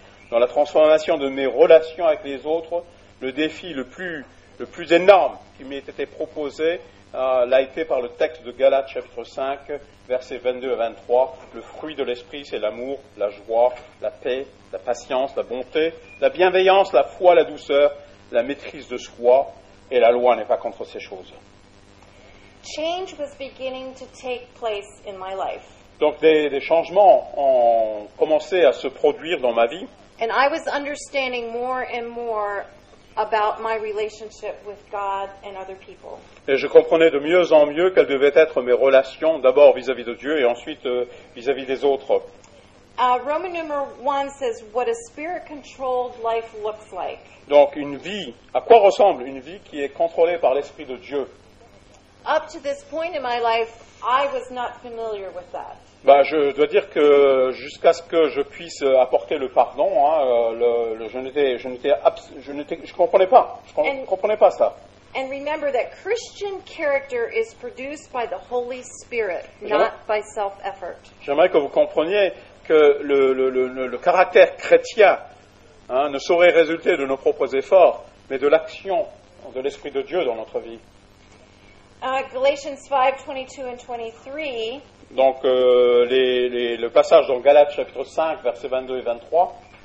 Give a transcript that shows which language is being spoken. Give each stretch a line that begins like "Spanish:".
French: Dans la transformation de mes relations avec les autres, le défi le plus énorme qui m'ait été proposé l'a été par le texte de Galates chapitre 5, versets 22 à 23. Le fruit de l'esprit, c'est l'amour, la joie, la paix, la patience, la bonté, la bienveillance, la foi, la douceur, la maîtrise de soi, et la loi n'est pas contre ces choses.
English: Change was beginning to take place in my life.
French: Donc des changements ont commencé à se produire dans ma vie.
English: And I was understanding more and more about my relationship with God and other people.
French: Et je comprenais de mieux en mieux quelles devaient être mes relations, d'abord vis-à-vis de Dieu et ensuite vis-à-vis des autres.
English: Roman number 1 says what a spirit-controlled life looks like.
French: Donc une vie, à quoi ressemble une vie qui est contrôlée par l'Esprit de Dieu?
English: Up to this point in my life, I was not familiar with that.
French: Bah, je dois dire que jusqu'à ce que je puisse apporter le pardon, hein, je ne comprenais pas ça.
English: And remember that Christian character is produced by the Holy Spirit, not by self-effort.
French: J'aimerais que vous compreniez que le caractère chrétien, hein, ne saurait résulter de nos propres efforts, mais de l'action de l'Esprit de Dieu dans notre vie.
English: Galatians 5, 22 and 23.
French: Donc, le passage dans Galates, chapitre 5, versets 22 et 23.